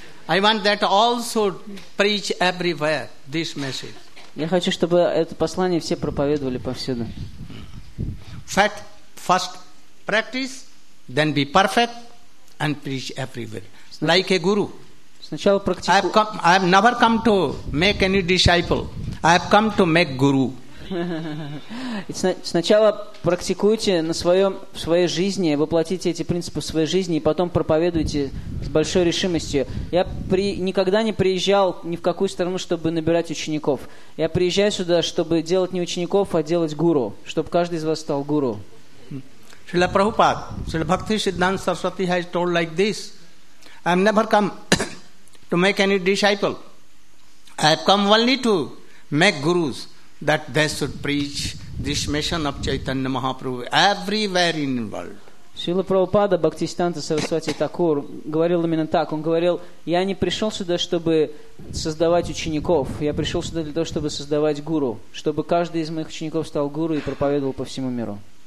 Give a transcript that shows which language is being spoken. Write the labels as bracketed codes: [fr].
[en] I want that also preach everywhere this message. [ru] Я хочу, чтобы это послание все проповедовали повсюду. [en] Fact, first practice, then be perfect and preach everywhere. Like a guru. [ru] Сначала практику. [en] I have never come to make any disciple. I have come to make guru. [ru] Сначала практикуйте в своей жизни, воплотите эти принципы в своей жизни и потом проповедуйте с большой решимостью. Я никогда не приезжал ни в какую страну, чтобы набирать учеников. Я приезжаю сюда, чтобы делать не учеников, а делать гуру, чтобы каждый из вас стал гуру. [en] Шрила Прабхупад, Шрила Бхакти Сиддханта Сарасвати has told like this: I have never come to make any disciple. I have come only to make gurus. That they should preach this mission of Chaitanya Mahaprabhu everywhere in the world. [ru] Шрила Прабхупада Бхактисиддханта Сарасвати Такур говорил именно так. Он говорил: я не пришел сюда, чтобы создавать учеников. Я пришел сюда для того, чтобы создавать гуру, чтобы каждый из моих учеников стал гуру и проповедовал по всему миру.